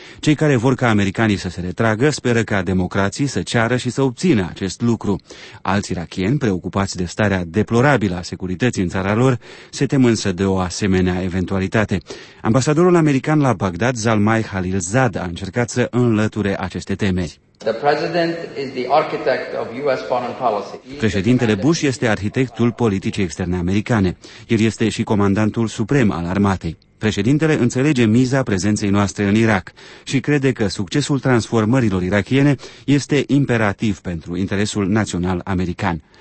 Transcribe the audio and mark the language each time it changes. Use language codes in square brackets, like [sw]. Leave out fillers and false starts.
[ro] Cei care vor ca americanii să se retragă speră ca democrații să ceară și să obțină acest lucru. Alți irachieni, preocupați de starea deplorabilă a securității în țara lor, se tem însă de o asemenea eventualitate. Ambasadorul american la Bagdad, Zalmay Khalilzad, a încercat să înlăture aceste temeri. [en] The president is the architect of US foreign policy. [ro] Președintele Bush este arhitectul politicii externe americane. El este și comandantul suprem al armatei. Președintele înțelege miza prezenței noastre în Irak și crede că succesul transformărilor irachiene este imperativ pentru interesul național american.